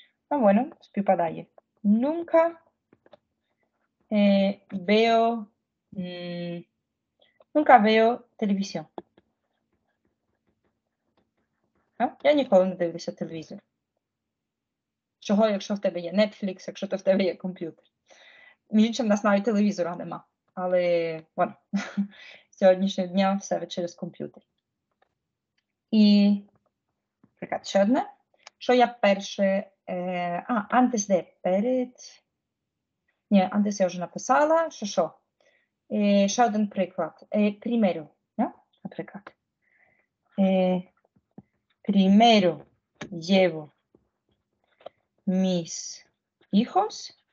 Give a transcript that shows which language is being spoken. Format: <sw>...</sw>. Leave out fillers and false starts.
<es>Ma bueno,</es> <uk>співпадає.</uk> <es>Nunca veo, nunca veo televisión.</es> <uk>Я ніколи не дивлюся телевізор. Чого, якщо в тебе є Netflix, якщо то в тебе є комп'ютер? Між іншим, в нас навіть телевізора нема. Але, воно, сьогоднішнього дня все через комп'ютер. І, наприклад, ще одне. Що я перше...</uk> <es>antes de,</es> <uk>перед... Ні, antes я вже написала. Що? Ще один приклад. Primero, наприклад.</uk> <es>Primero llevo mis hijos</es>